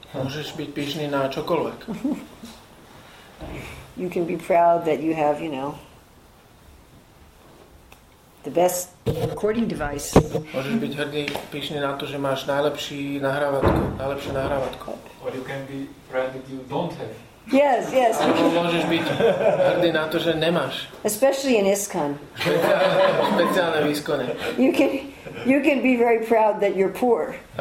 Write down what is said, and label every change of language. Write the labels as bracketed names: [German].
[Slovak] Môžeš byť pyšný na čokoľvek. [English] You can be proud that you have, you know, the best recording device. [Slovak] Môžeš byť hrdý, pyšný na to, že máš najlepšie nahrávatko. [English] Or you can be proud that you don't have. Yes, yes. [Slovak] Alebo môžeš byť hrdý na to, že nemáš. [English] Especially in ISKCON. [Slovak] Speciálne v ISKCONe. [English] You can You can be very proud that you're poor.